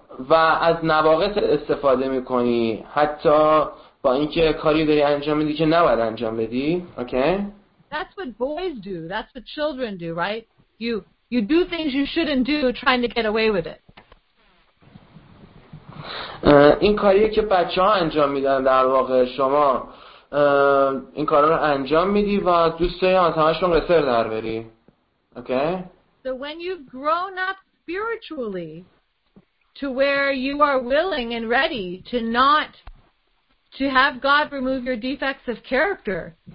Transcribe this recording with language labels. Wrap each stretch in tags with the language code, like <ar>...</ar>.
<fa>و از نواقص استفاده میکنی حتی با اینکه کاری داری انجام میدی که نباید انجام بدی.</fa> <en>Okay. That's what boys do. That's what children do, right? You do things you shouldn't do trying to get away with it.</en> <fa>این کاریه که بچه ها انجام میدن در واقع شما این کارا رو انجام میدی و دوست داری از همشون قصر در بری.</fa> <en>Okay. So when you've grown up spiritually to where you are willing and ready to not to have God remove your defects of character</en>